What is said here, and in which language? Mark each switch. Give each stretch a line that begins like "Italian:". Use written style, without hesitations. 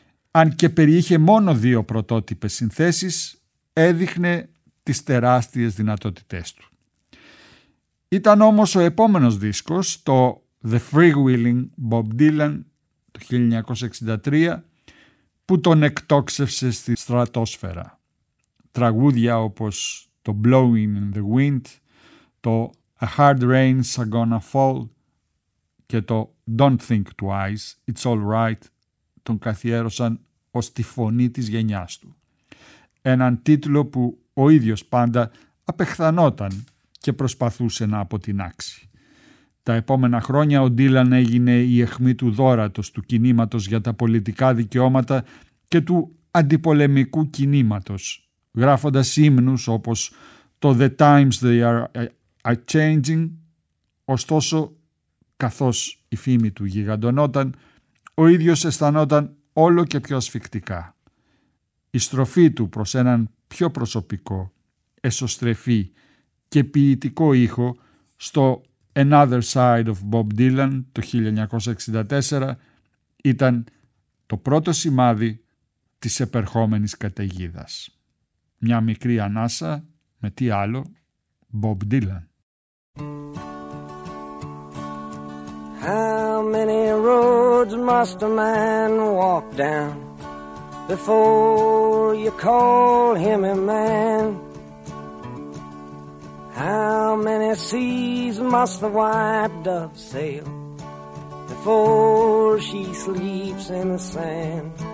Greek: Αν και περιείχε μόνο δύο πρωτότυπες συνθέσεις, έδειχνε τις τεράστιες δυνατότητές του. Ήταν όμως ο επόμενος δίσκος, το The Freewheeling Bob Dylan, το 1963, που τον εκτόξευσε στη στρατόσφαιρα. Τραγούδια όπως το Blowing in the Wind, το A Hard Rain's a Gonna Fall και το Don't Think Twice, It's All Right, τον καθιέρωσαν ως τη φωνή της γενιάς του. Έναν τίτλο που ο ίδιος πάντα απεχθανόταν και προσπαθούσε να αποτινάξει. Τα επόμενα χρόνια ο Dylan έγινε η αιχμή του δόρατος του κινήματος για τα πολιτικά δικαιώματα και του αντιπολεμικού κινήματος, γράφοντας ύμνους όπως το «The times they are changing». Ωστόσο, καθώς η φήμη του γιγαντωνόταν, ο ίδιος αισθανόταν όλο και πιο ασφυκτικά. Η στροφή του προς έναν πιο προσωπικό, εσωστρεφή και ποιητικό ήχο στο Another Side of Bob Dylan το 1964 ήταν το πρώτο σημάδι της επερχόμενης καταιγίδας. Μια μικρή ανάσα με τι άλλο, Bob Dylan.
English: How many roads must a man walk down before you call him a man? How many seas must the white dove sail before she sleeps in the sand?